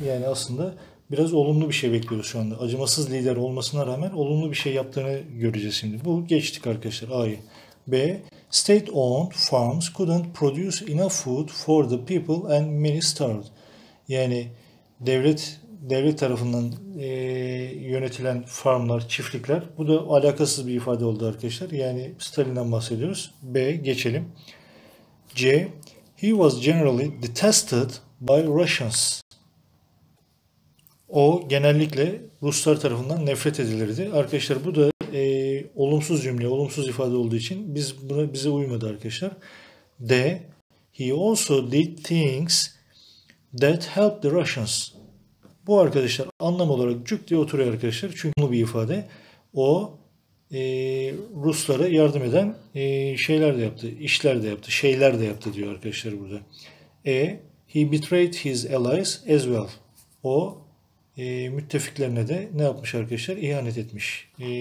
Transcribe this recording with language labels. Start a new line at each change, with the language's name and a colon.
Turkish: Yani aslında biraz olumlu bir şey bekliyoruz şu anda. Acımasız lider olmasına rağmen olumlu bir şey yaptığını göreceğiz şimdi. Bu geçtik arkadaşlar A'yı. B.
English: State-owned farms couldn't produce enough food for the people and many starved.
Turkish: Yani devlet devlet tarafından yönetilen farmlar, çiftlikler. Bu da alakasız bir ifade oldu arkadaşlar. Yani Stalin'den bahsediyoruz. B geçelim. C.
English: He was generally detested by Russians.
Turkish: O genellikle Ruslar tarafından nefret edilirdi. Arkadaşlar bu da olumsuz cümle, olumsuz ifade olduğu için bize uymadı arkadaşlar. D.
English: He also did things that helped the Russians.
Turkish: Bu arkadaşlar anlam olarak cük diye oturuyor arkadaşlar. Çünkü bu bir ifade. O Ruslara yardım eden şeyler de yaptı, işler de yaptı, şeyler de yaptı diyor arkadaşlar burada. E.
English: He betrayed his allies as well.
Turkish: O müttefiklerine de ne yapmış arkadaşlar? İhanet etmiş.